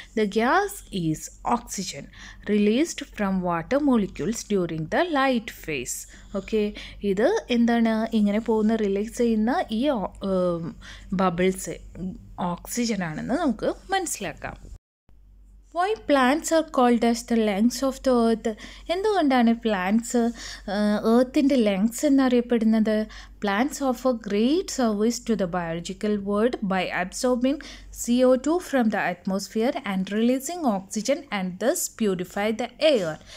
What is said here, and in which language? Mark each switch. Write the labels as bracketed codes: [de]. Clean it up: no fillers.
[en] The gas is oxygen released from water molecules during the light phase. [ml] Okay, ഇത് എന്താണ്? ഇങ്ങനെ പോകുന്ന release ചെയ്യുന്ന ഈ ബബിൾസ് ഓക്സിജനാണെന്ന് നമുക്ക് മനസ്സിലാക്കാം. [en] Why plants are called as the lungs of the earth? [ml] എന്തുകൊണ്ടാണ് പ്ലാന്റ്സ് ഏർത്തിൻ്റെ ലങ്സ് എന്നറിയപ്പെടുന്നത്? [en] Plants offer great service to the biological world by absorbing CO2 from the atmosphere and releasing oxygen and thus purify the air.